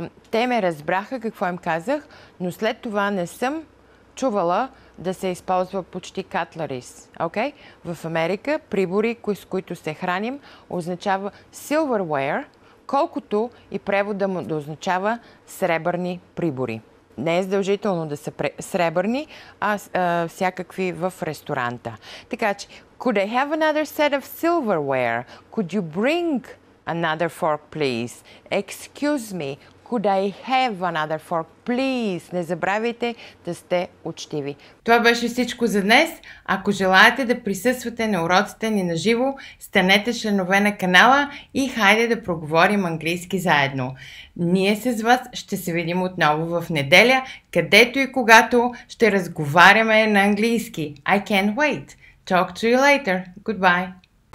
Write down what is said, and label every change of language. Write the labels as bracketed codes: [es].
[bg] Те ме разбраха какво им казах, но след това не съм чувала да се използва почти cutleries. Окей? В Америка прибори, с които се храним, означава silverware, колкото и превода му да означава сребърни прибори. Не е задължително да са сребърни, а всякакви в ресторанта. [en] Така че, could I have another set of silverware? Could you bring another fork, please? Excuse me, could I have another fork, please? [bg] Не забравяйте да сте учтиви. Това беше всичко за днес. Ако желаете да присъствате на уроците ни наживо, станете членове на канала и хайде да проговорим английски заедно. Ние с вас ще се видим отново в неделя, където и когато ще разговаряме на английски. [en] I can't wait. Talk to you later. Goodbye.